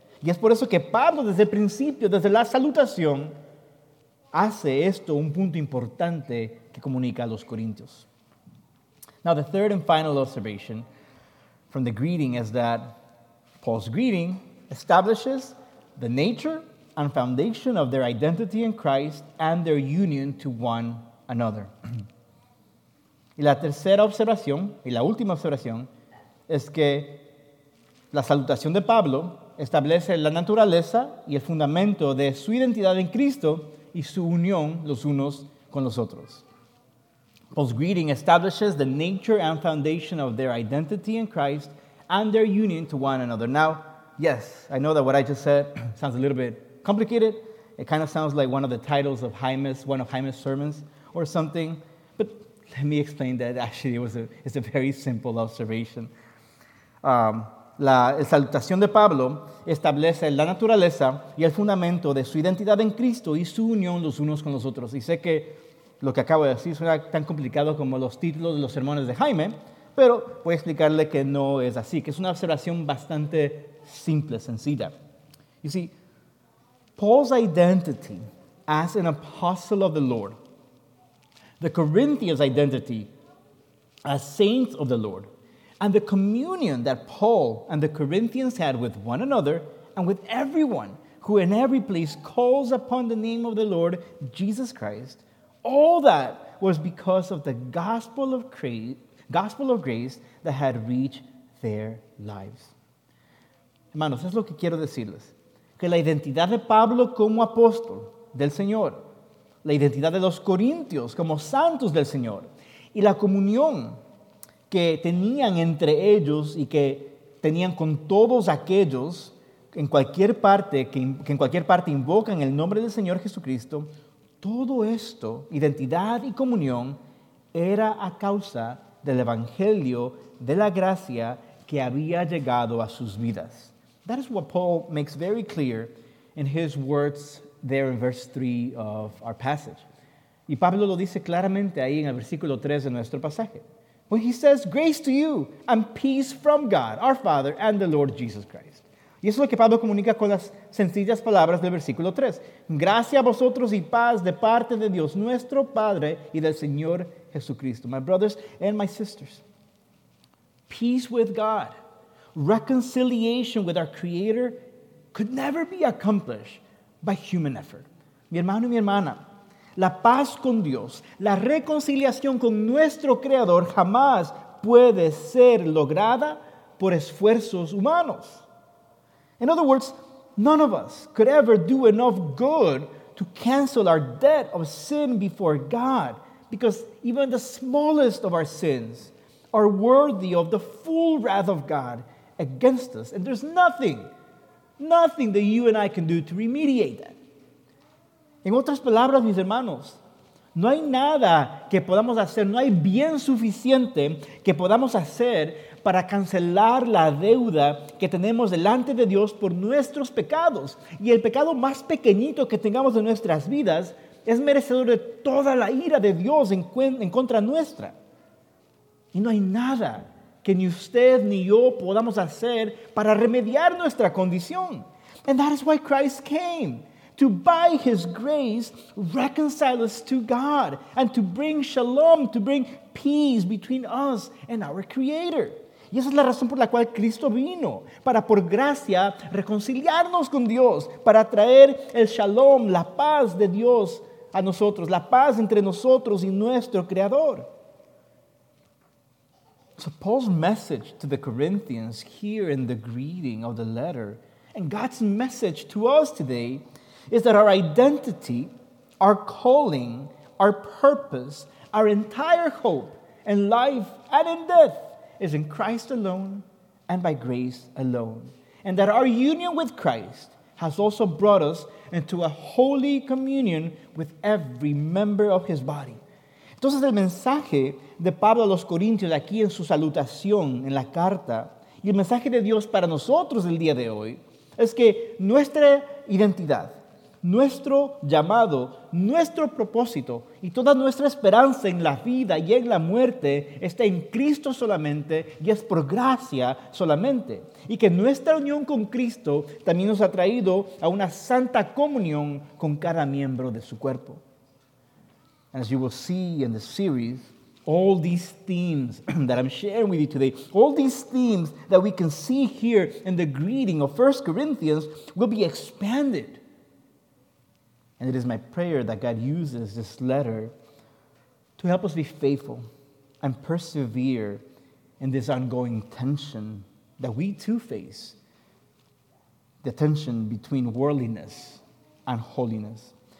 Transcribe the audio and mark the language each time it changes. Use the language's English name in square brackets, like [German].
[Spanish] Y es por eso que Pablo desde el principio, desde la salutación, hace esto un punto importante que comunica a los corintios. [English] Now the third and final observation from the greeting is that Paul's greeting establishes the nature and foundation of their identity in Christ and their union to one another. [Spanish] Y la tercera observación, y la última observación, es que la salutación de Pablo establece la naturaleza y el fundamento de su identidad en Cristo y su unión los unos con los otros. [English] Paul's greeting establishes the nature and foundation of their identity in Christ and their union to one another. Now, yes, I know that what I just said sounds a little bit complicated. It kind of sounds like one of the titles of one of Jaime's sermons or something. But let me explain that actually it's a very simple observation. [Spanish] La salutación de Pablo establece la naturaleza y el fundamento de su identidad en Cristo y su unión los unos con los otros. Y sé que lo que acabo de decir suena tan complicado como los títulos de los sermones de Jaime, pero voy a explicarle que no es así, que es una observación bastante simple, sencilla. [English] You see, Paul's identity as an apostle of the Lord, the Corinthians' identity as saints of the Lord, and the communion that Paul and the Corinthians had with one another and with everyone who in every place calls upon the name of the Lord Jesus Christ, all that was because of the gospel of grace that had reached their lives. [Spanish] Hermanos, es lo que quiero decirles. Que la identidad de Pablo como apóstol del Señor, la identidad de los corintios como santos del Señor, y la comunión que tenían entre ellos y que tenían con todos aquellos en cualquier parte invocan el nombre del Señor Jesucristo, todo esto, identidad y comunión, era a causa del evangelio de la gracia que había llegado a sus vidas. [English] That is what Paul makes very clear in his words there in verse 3 of our passage. [Spanish] Y Pablo lo dice claramente ahí en el versículo 3 de nuestro pasaje. [English] When he says, grace to you and peace from God, our Father, and the Lord Jesus Christ. [Spanish] Y eso es lo que Pablo comunica con las sencillas palabras del versículo 3. Gracias a vosotros y paz de parte de Dios, nuestro Padre y del Señor Jesucristo. [English] My brothers and my sisters, peace with God, reconciliation with our Creator could never be accomplished by human effort. [Spanish] Mi hermano y mi hermana, la paz con Dios, la reconciliación con nuestro Creador jamás puede ser lograda por esfuerzos humanos. [English] In other words, none of us could ever do enough good to cancel our debt of sin before God, because even the smallest of our sins are worthy of the full wrath of God against us. And there's nothing that you and I can do to remediate that. [Spanish] En otras palabras, mis hermanos, no hay nada que podamos hacer, no hay bien suficiente que podamos hacer para cancelar la deuda que tenemos delante de Dios por nuestros pecados. Y el pecado más pequeñito que tengamos en nuestras vidas es merecedor de toda la ira de Dios en contra nuestra. Y no hay nada que ni usted ni yo podamos hacer para remediar nuestra condición. [English] And that is why Christ came, to by his grace reconcile us to God and to bring shalom, to bring peace between us and our Creator. [Spanish] Y esa es la razón por la cual Cristo vino, para por gracia reconciliarnos con Dios, para traer el shalom, la paz de Dios a nosotros, la paz entre nosotros y nuestro Creador. [English] So Paul's message to the Corinthians here in the greeting of the letter, and God's message to us today, is that our identity, our calling, our purpose, our entire hope in life and in death is in Christ alone and by grace alone. And that our union with Christ has also brought us into a holy communion with every member of his body. [Spanish] Entonces el mensaje de Pablo a los Corintios aquí en su salutación, en la carta, y el mensaje de Dios para nosotros el día de hoy, es que nuestra identidad, nuestro llamado, nuestro propósito y toda nuestra esperanza en la vida y en la muerte está en Cristo solamente y es por gracia solamente. Y que nuestra unión con Cristo también nos ha traído a una santa comunión con cada miembro de su cuerpo. [English] As you will see in the series, all these themes that I'm sharing with you today, all these themes that we can see here in the greeting of 1 Corinthians will be expanded. And it is my prayer that God uses this letter to help us be faithful and persevere in this ongoing tension that we too face, the tension between worldliness and holiness.